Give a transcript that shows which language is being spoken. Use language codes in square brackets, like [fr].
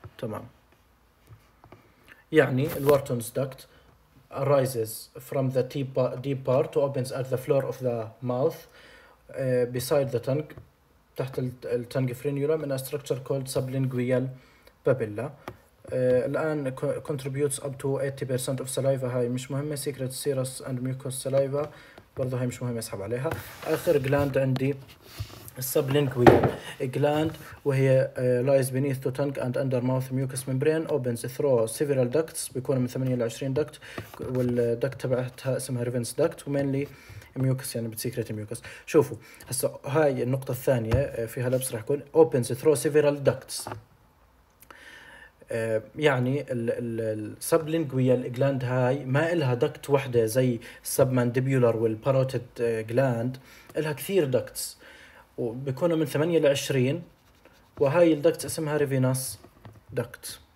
[en] تمام يعني ال Wharton's duct arises from the deep part to opens at the floor of the mouth beside the tongue [ar] تحت ال [en] tongue frenulum in a structure called sublingual papilla الان contributes up to 80% of saliva. [ar] هاي مش مهمه. [en] secret serous and mucous saliva [ar] برضه هاي مش مهمه اسحب عليها. [en] اخر gland عندي sublingual gland وهي lies beneath the tongue and under mouth mucous membrane, opens through several ducts, [ar] بيكون من 8 الى 20 [en] duct, [ar] والduct تبعتها اسمها [en] Revens duct, [ar] ومينلي ميوكس يعني بتسيكريت ميوكس. شوفوا هسا هاي النقطة الثانية فيها لبس راح يكون [en] opens through several ducts, [ar] يعني السبلينجويال جلاند هاي ما إلها دكت واحدة زي السبمانديبولر والباروتيد جلاند, إلها كثير دكتس وبيكونوا من 8 إلى 20, وهاي الدكت اسمها ريفينس دكت.